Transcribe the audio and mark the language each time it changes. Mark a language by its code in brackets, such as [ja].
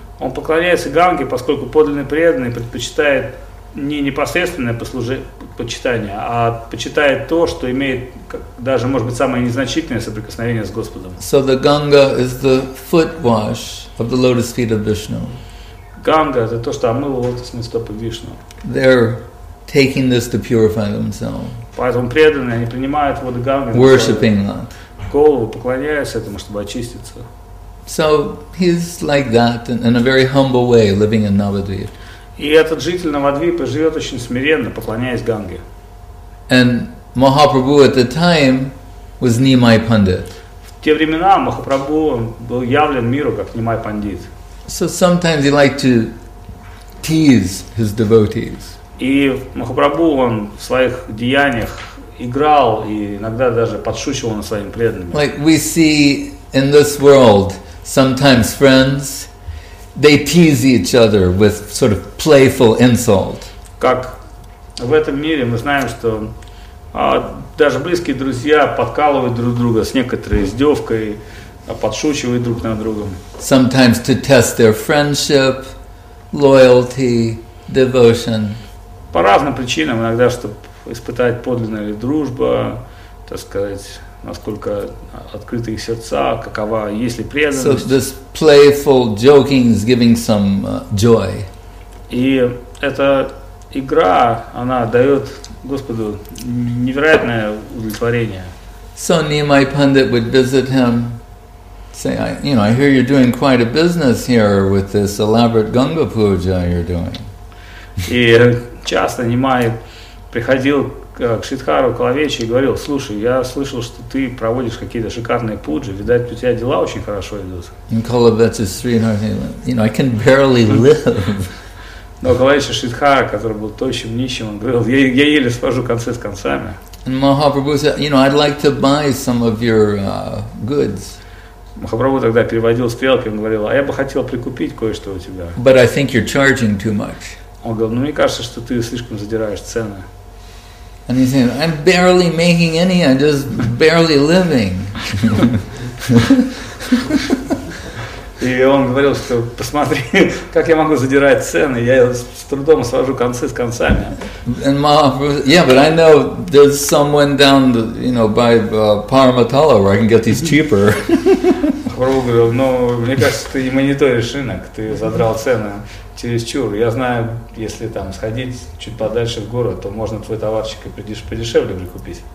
[ru] Он поклоняется Ганге, поскольку подлинный преданный предпочитает не непосредственное почитание, а почитает то, что имеет даже, может быть, самое незначительное соприкосновение с Господом. [en] So the Ganga is the foot wash of the lotus feet of Vishnu. [ru] Ганга — это то, что омыло лотосные стопы Вишну. [en] They're taking this to purify themselves. [ru] Поэтому преданные, они принимают воду Ганги. [en] Worshipping that. [ru] Голову поклоняясь этому, чтобы очиститься. [en] So he's like that in a very humble way, living in Navadvip. [ru] И этот житель Навадвипа живет очень смиренно, поклоняясь Ганге. [en] And Mahaprabhu at the time was Nimai Pandit. [ru] В те времена Махапрабху был явлен миру как Нимай Пандит. [en] So sometimes he liked to tease his devotees. [ru] И Махапрабху, он в своих деяниях играл и иногда даже подшучивал над своими преданными. [en] Like we see in this world, sometimes friends, they tease each other with sort of playful insult. [ru] Как в этом мире мы знаем, что даже близкие друзья подкалывают друг друга с некоторой издевкой, подшучивают друг над другом. [en] Sometimes to test their friendship, loyalty, devotion. [ru] По разным причинам, иногда, чтобы испытать, подлинная ли дружба, так сказать, насколько открыты их сердца, какова, есть ли преданность. [en] So this playful joking is giving some joy. [ru] И эта игра, она дает Господу невероятное удовлетворение. [en] So Nimai Pandit would visit him, say, I hear you're doing quite a business here with this elaborate Ganga Puja you're doing. [ru] И часто Нимай приходил к Шридхару Калавечи и говорил: слушай, я слышал, что ты проводишь какие-то шикарные пуджи, видать, у тебя дела очень хорошо идут. [en] I can barely live. [ru] Но Калавечи Шридхара, который был тощим, нищим, он говорил: я еле схожу концы с концами. [en] And Mahaprabhu said, I'd like to buy some of your goods. [ru] Махапрабху тогда переводил стрелки, он говорил: а я бы хотел прикупить кое-что у тебя. [en] But I think you're charging too much. [ru] Он говорил: мне кажется, что ты слишком задираешь цены. [en] And he's saying, I'm barely making any, I'm just barely living. [ru] И он говорил, что посмотри, как я могу задирать цены, я с трудом свожу концы с концами. [en] And Mahaprabhu, yeah, but I know there's someone down, by Paramatala where I can get these cheaper. [ru] Махапрабху говорил: ну, мне кажется, ты не мониторишь рынок, ты задрал цены. Чересчур. Я знаю, если там сходить чуть подальше в город, то можно твой товарчик и подешевле прикупить.